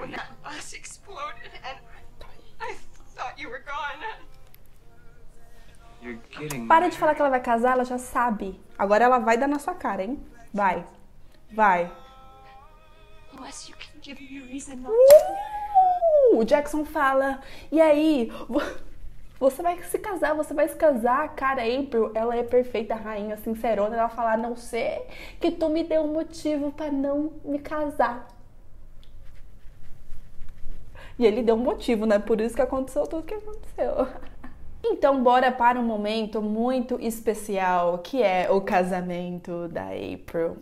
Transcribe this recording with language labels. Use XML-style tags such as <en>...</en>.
<en>When that bus exploded and I thought you were gone. You're getting married.</en> <pt>Para de falar que ela vai casar, ela já sabe. Agora ela vai dar na sua cara, hein? Vai. Vai.</pt> <en>Unless you can give me a reason not to.</en> <pt>O Jackson fala. E aí? Você vai se casar, você vai se casar. Cara, April, ela é perfeita, rainha, sincerona. Ela fala, não sei que tu me deu um motivo pra não me casar. E ele deu um motivo, né? Por isso que aconteceu tudo que aconteceu. Então, bora para um momento muito especial, que é o casamento da April.</pt>